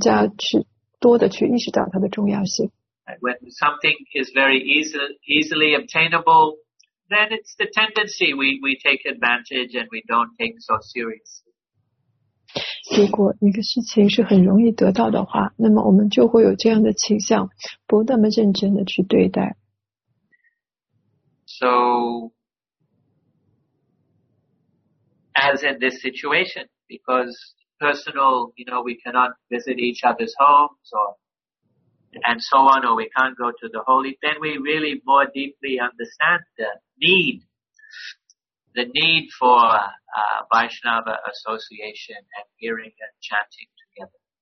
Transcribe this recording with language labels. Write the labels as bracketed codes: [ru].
[zh] 如果没有什么，没有一样东西的话，或者没有办法得到的话，这会让我们更加好的，就是更加去多的去意识到它的重要性。 [en] When something is very easily obtainable, then it's the tendency we take advantage and we don't take so seriously. [zh] 如果一个事情是很容易得到的话，那么我们就会有这样的倾向，不那么认真的去对待。 [en] So, as in this situation, because personal, you know, we cannot visit each other's homes or and so on, or we can't go to the holy, then we really more deeply understand the need for Vaishnava association and hearing and chanting together.